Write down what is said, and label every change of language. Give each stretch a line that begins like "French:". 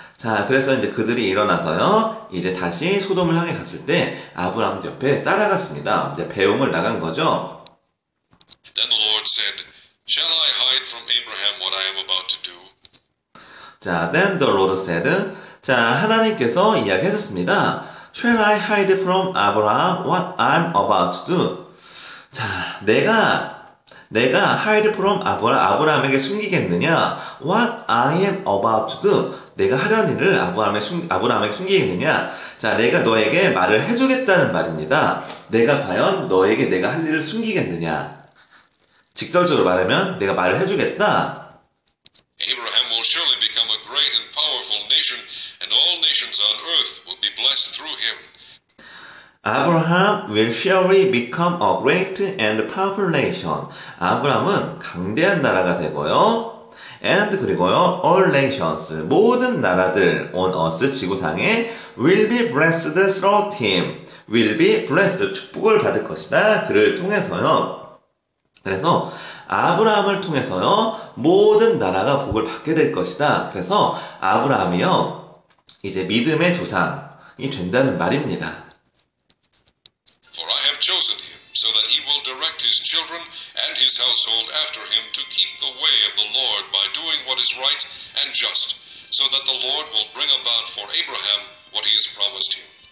Korean: 자, 그래서 이제 그들이 일어나서요, 이제 다시 소돔을 향해 갔을 때, 아브라함 옆에 따라갔습니다. 이제 배웅을 나간 거죠.
English: Then the Lord said, Shall I hide from Abraham what I am about to do?
Korean: 자,
English: then the Lord said,
Korean: 자, 하나님께서 이야기하셨습니다.
English: Shall I hide from Abraham what I'm about to do?
Korean: 자, 내가
English: hide from
Korean: 아브라함에게 숨기겠느냐?
English: What I am about to do?
Korean: 내가 하려는 일을 아브라함에게 숨기겠느냐? 자, 내가 너에게 말을 해주겠다는 말입니다. 내가 과연 너에게 내가 할 일을 숨기겠느냐? 직설적으로 말하면 내가 말을 해주겠다.
English: Abraham will surely become a great and powerful nation, and all nations on earth will be blessed through him. Abraham will surely become a great and powerful nation.
Korean: 아브라함은 강대한 나라가 되고요.
English: And
Korean: 그리고요,
English: all nations,
Korean: 모든 나라들
English: on earth,
Korean: 지구상에
English: will be blessed through him. will be blessed,
Korean: 축복을 받을 것이다. 그를 통해서요. 그래서 아브라함을 통해서요, 모든 나라가 복을 받게 될 것이다. 그래서 아브라함이요, 이제 믿음의 조상, 사랑이 된다는 말입니다.
English: For I have chosen him so that he will direct his children and his household after him to keep the way of the Lord by doing what is right and just, so that the Lord will bring about for Abraham what he has promised him.